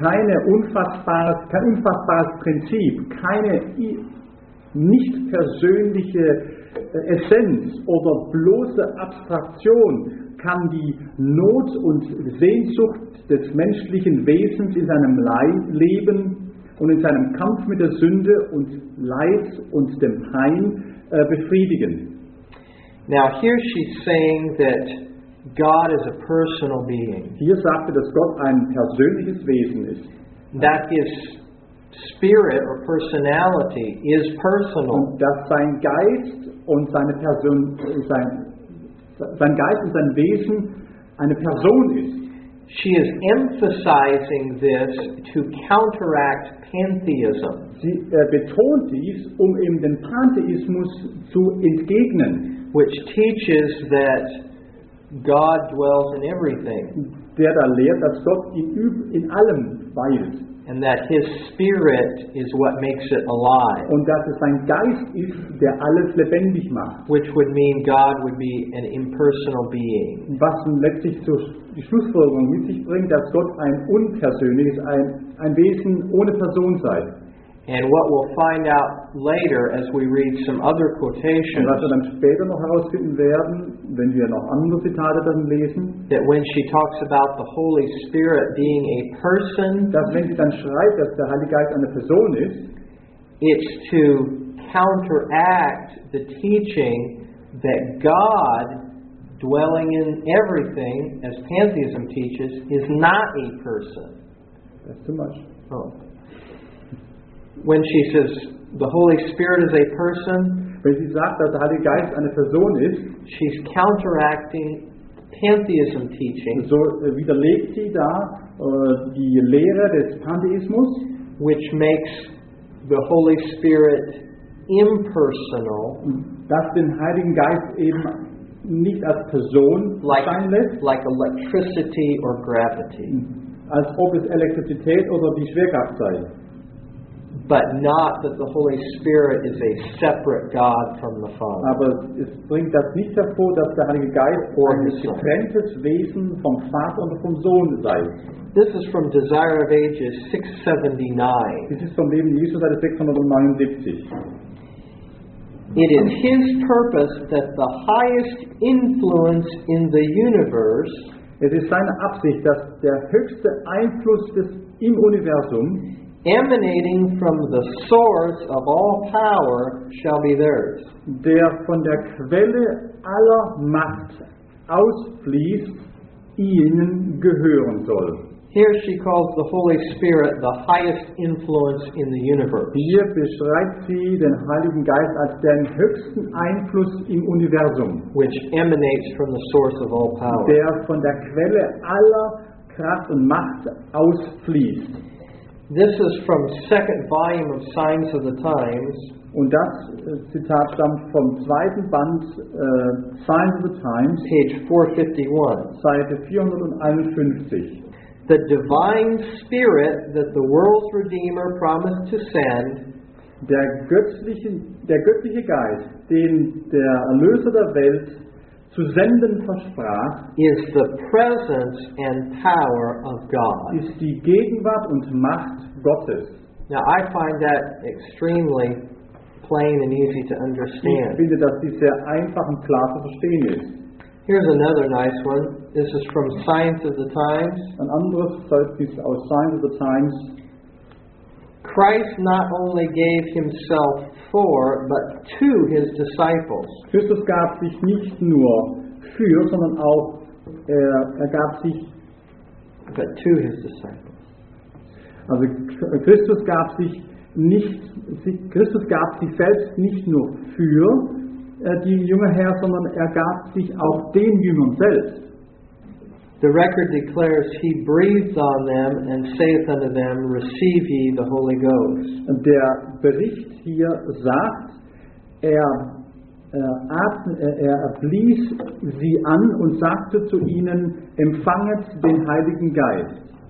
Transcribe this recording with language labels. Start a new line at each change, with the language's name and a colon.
German: Kein unfassbares Prinzip, keine nicht persönliche Essenz oder bloße Abstraktion kann die Not und Sehnsucht des menschlichen Wesens in seinem Leben und in seinem Kampf mit der Sünde und Leid und dem Pein befriedigen.
English: Now here she's saying that God is a personal being.
German: Hier sagt er, dass Gott ein persönliches Wesen ist.
English: That his spirit or personality is personal.
German: Und dass sein Geist und seine Person, sein Geist und sein Wesen eine Person ist.
English: She is emphasizing this to counteract pantheism.
German: Sie betont dies, um eben dem Pantheismus zu entgegnen,
English: which teaches that God dwells in everything.
German: Der da lehrt, dass Gott in allem weilt.
English: And that his spirit is what makes it alive.
German: Und dass es sein Geist ist, der alles lebendig macht.
English: Which would mean God would be an impersonal being.
German: Was letztlich zur Schlussfolgerung mit sich bringt, dass Gott ein unpersönliches, ein Wesen ohne Person sei.
English: And what we'll find out later as we read some other quotations,
German: was wir dann später noch herausfinden werden, wenn wir noch andere Zitate dann lesen,
English: that when she talks about the Holy Spirit being a person,
German: dass wenn sie dann schreibt, dass der Heilige Geist eine Person ist,
English: it's to counteract the teaching that God dwelling in everything, as pantheism teaches, is not a person. That's too much. Oh. When she says the Holy Spirit is a person,
German: wenn sie sagt, dass der Heilige Geist eine Person ist,
English: she's counteracting pantheism teaching.
German: So widerlegt sie da die Lehre des Pantheismus,
English: which makes the Holy Spirit impersonal.
German: Das den Heiligen Geist eben nicht als Person erscheinen lässt,
English: like electricity or gravity.
German: Als ob es Elektrizität oder die Schwerkraft sei.
English: But not that the Holy Spirit is a separate God from the Father.
German: Aber es bringt das nicht hervor, dass der Heilige Geist
English: or
German: ein getrenntes Wesen vom Vater und vom Sohn sei.
English: This is from Desire of Ages 679. This is from Leben Jesu, Seite 679. It is his purpose that the highest influence in the universe,
German: es ist seine Absicht, dass der höchste Einfluss des, im Universum,
English: emanating from the source of all power, shall be theirs.
German: Der von der Quelle aller Macht ausfließt, ihnen gehören soll.
English: Here she calls the Holy Spirit the highest influence in the universe.
German: Hier beschreibt sie den Heiligen Geist als den höchsten Einfluss im Universum,
English: which emanates from the source of all power.
German: Der von der Quelle aller Kraft und Macht ausfließt.
English: This is from second volume of Signs of the Times.
German: Und das Zitat stammt vom zweiten Band Signs of the Times,
English: page 451.
German: Seite 451.
English: The divine spirit that the world's redeemer promised to send,
German: der göttliche Geist, den der Erlöser der Welt zu senden versprach,
English: is the presence and power of God.
German: Ist die Gegenwart und Macht Gottes.
English: Now I find that extremely plain and easy to understand.
German: Ich finde, dass dies sehr einfach und klar zu verstehen ist.
English: Here's another nice one. This is from Science of the Times.
German: Ein anderes Zeugnis aus Science of the Times.
English: Christ not only gave himself for, but to his disciples.
German: Christus gab sich nicht nur für, sondern auch er gab sich,
English: but to his disciples.
German: Also Christus gab sich nicht, Christus gab sich selbst nicht nur für die junge Herr, sondern er gab sich auch den Jüngern selbst.
English: The record declares he breathed on them and saith unto them, receive ye the Holy Ghost.
German: Der Bericht hier sagt, er blies sie an und sagte zu ihnen, empfanget den Heiligen Geist.